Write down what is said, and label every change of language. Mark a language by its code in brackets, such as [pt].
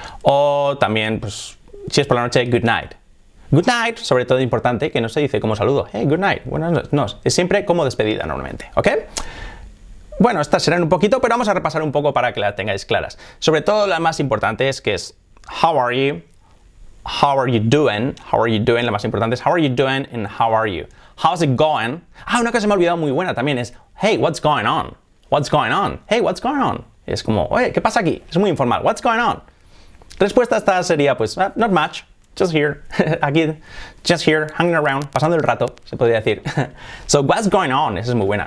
[es] O también, pues, si es por la noche, good night. Good night, sobre todo importante, que no se dice como saludo. Hey, good night. Buenas noches. No, es siempre como despedida normalmente. ¿Ok? Bueno, estas serán un poquito, pero vamos a repasar un poco para que las tengáis claras. Sobre todo la más importante es que es how are you? How are you doing? [en] How are you doing? La más importante es how are you doing and how are you? How's it going? [es] Ah, una cosa que me ha olvidado muy buena también es hey, what's going on? What's going on? Hey, what's going on? Es como, oye, ¿qué pasa aquí? Es muy informal. What's going on? Respuesta esta sería pues, not much, just here, aquí, just here, hanging around, pasando el rato, se podría decir. So, what's going on? Esa es muy buena.